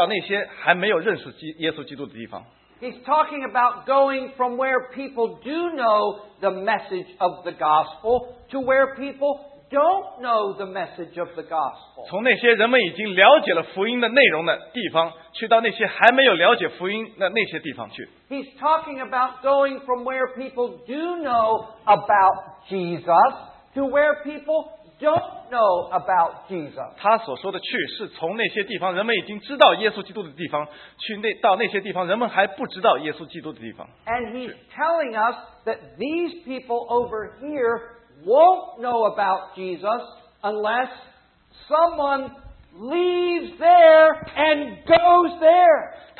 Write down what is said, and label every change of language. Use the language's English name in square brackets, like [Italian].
[Chinese] 他所说的去是指门徒，我们这些门徒从认识耶稣基督的地方，去到那些还没有认识耶稣基督的地方。 [English] He's talking about going from where people do know the message of the gospel to where people don't know the message of the gospel. [Chinese] 从那些人们已经了解了福音的内容的地方，去到那些还没有了解福音的那些地方去。 [English] He's talking about going from where people do know about Jesus to where people don't know about Jesus. [Chinese] 他所说的去是从那些地方人们已经知道耶稣基督的地方，去到那些地方人们还不知道耶稣基督的地方。 [English] And he's telling us that these people over here won't know about Jesus unless someone leaves there and goes there.